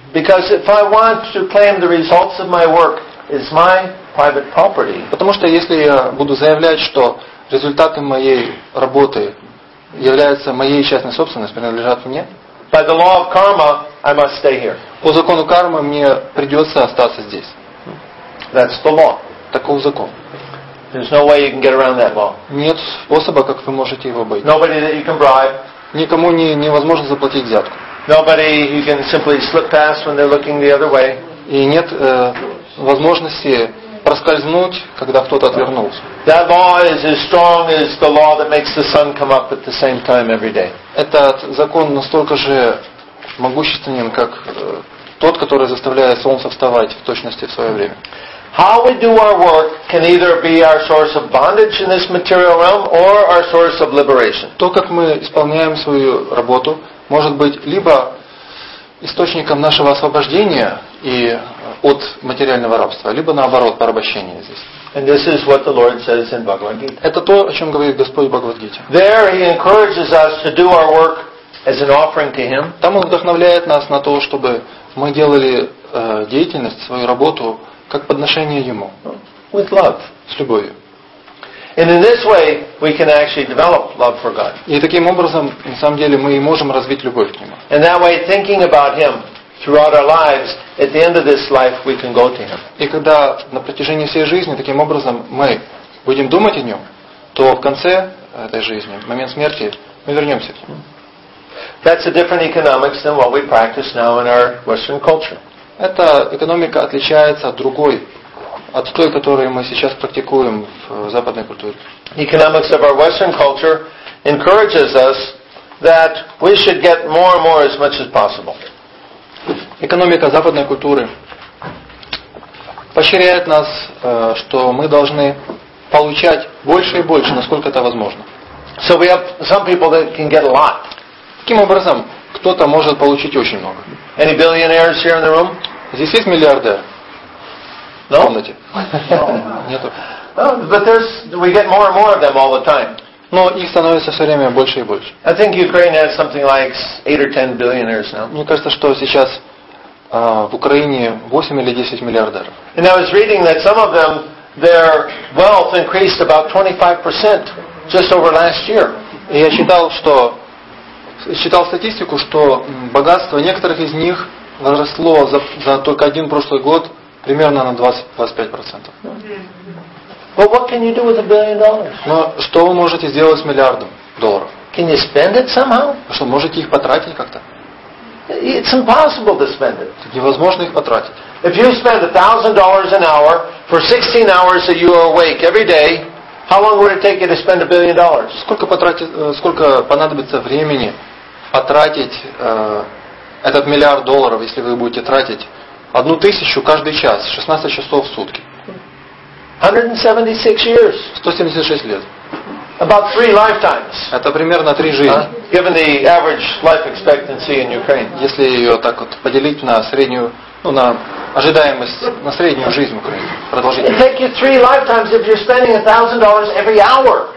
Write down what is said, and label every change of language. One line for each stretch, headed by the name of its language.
English: Because if I want to claim the results of my work is my private property.
Russian: Потому что если я буду заявлять, что результаты моей работы являются моей частной собственностью, принадлежат мне.
English: By the law of karma, I must stay here.
Russian: По закону кармы мне придется остаться здесь.
English: That's the law.
Russian: Таков закон.
English: There's no way you can get around that law.
Russian: Нет способа, как вы можете его обойти.
English: Nobody that you can bribe.
Russian: Никому невозможно заплатить взятку.
English: Nobody you can simply slip past when they're looking the other way.
Russian: И нет возможности проскользнуть, когда кто-то отвернулся.
English: That law is as strong as the law that makes the sun come up at the same time every day.
Russian: Этот закон настолько же могущественен, как тот, который заставляет солнце вставать в точности в свое время.
English: How we do our work can either be our source of bondage in this material realm or our source of liberation.
Russian: То, как мы исполняем свою работу, может быть либо источником нашего освобождения и от материального рабства, либо наоборот порабощения здесь.
English: And this is what the Lord says in Bhagavad Gita.
Russian: Это то, о чем говорит Господь в Бхагавад Гите.
English: There he encourages us to do our work as an offering to him.
Russian: Там он вдохновляет нас на то, чтобы мы делали деятельность, свою работу как подношение ему.
English: With love.
Russian: С любовью.
English: And in this way we can actually develop love for God.
Russian: И таким образом, на самом деле, мы и можем развить любовь к нему.
English: And that way, thinking about him throughout our lives, at the end of this life we can go to him.
Russian: И когда на протяжении всей жизни таким образом мы будем думать о нем, то в конце этой жизни, в момент смерти, мы вернемся к нему.
English: That's a different economics than what we practice now in our Western culture.
Russian: Эта экономика отличается от другой, от той, которую мы сейчас практикуем в западной культуре.
English: Economics of our Western culture encourages us that we should get more and more as much as possible.
Russian: Экономика западной культуры поощряет нас, что мы должны получать больше и больше, насколько это возможно.
English: So we have some people that can get a lot.
Russian: Таким образом, кто-то может получить очень много.
English: Any billionaires here in the room?
Russian: Здесь есть миллиардеры?
English: No?
Russian: В комнате? Нету.
English: But there's, we get more and more of them all the time.
Russian: Но их становится все время больше и больше.
English: I think Ukraine has something like 8 or 10 billionaires now.
Russian: Мне кажется, что сейчас в Украине 8 или 10 миллиардеров.
English: And I was reading that some of them, their wealth increased about 25% just over last year.
Russian: И я читал статистику, что богатство некоторых из них возросло за только один прошлый год примерно на 20-25%.
English: But what can you do with $1 billion?
Russian: Но что вы можете сделать с миллиардом долларов?
English: Can you spend it somehow?
Russian: Что, можете их потратить как-то?
English: It's impossible to spend it.
Russian: Невозможно их потратить.
English: If you spend $1,000 an hour for 16 hours that you are awake every day, how long would it take you to spend $1 billion?
Russian: Сколько понадобится времени потратить этот миллиард долларов, если вы будете тратить 1000 каждый час, 16 часов в сутки?
English: 176 years.
Russian: 176 лет.
English: About 3 lifetimes.
Russian: Это примерно 3 жизни.
English: Given the average life expectancy in Ukraine.
Russian: Если ее так вот поделить на среднюю, ну, на ожидаемость, на среднюю жизнь в Украине, продолжительность.
English: It takes you 3 lifetimes if you're spending $1,000 every hour.